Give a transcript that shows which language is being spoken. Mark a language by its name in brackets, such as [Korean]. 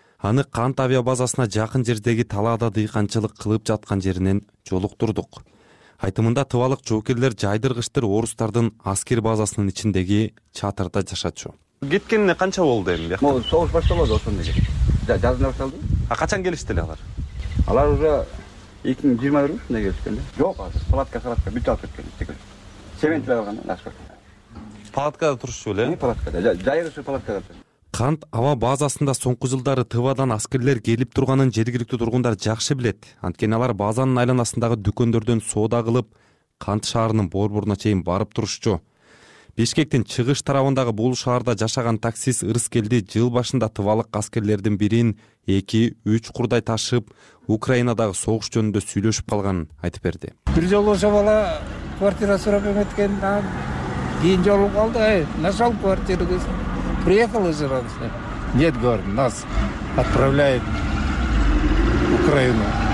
[Kyrgyz] Аны Кант авиабазасына жакын жердеги талаада дыйканчылык кылып жаткан жеринен жолуктурдук. Айтымында тывалык жоокерлер жайдыргычтар орустардын аскер базасынын ичиндеги чатырда жашачу. Кеткенине канча болду эми бияктан? Могу согуш башталбады ошондо эле. Жазына башталды. А качан келишти эле алар? Алар уже 2021 ушундай келишкен да. Жок азыр палатка каратка бүт алып кеткен тигил. Семент эле калган да ашкар. Палаткада турушчу эле? Палаткада. Жайгышы палаткада. Кант аба базасында соңку жылдары ТВ-дан аскерлер келип турганын жергиликтүү тургундар жакшы билет. Анткени алар базанын айланасындагы дүкөндөрдөн соода кылып, Кант шаарынын борборуна чейин барып турушчу. Бишкектин чыгыш тарабындагы бул шаарда жашаган таксист Ырыскелди жыл башында тывалык аскерлердин бирин 2-3 курдай ташып Украинадагы согуш жөнүндө сүйлөшүп калганын айтып берди. Бир жолу ошо бала квартира сурап эметкен, анан кийин жолу калды. [Russian] Эй, нашел квартиру? Приехал из Иранца? Нет, говорит, нас отправляет в Украину.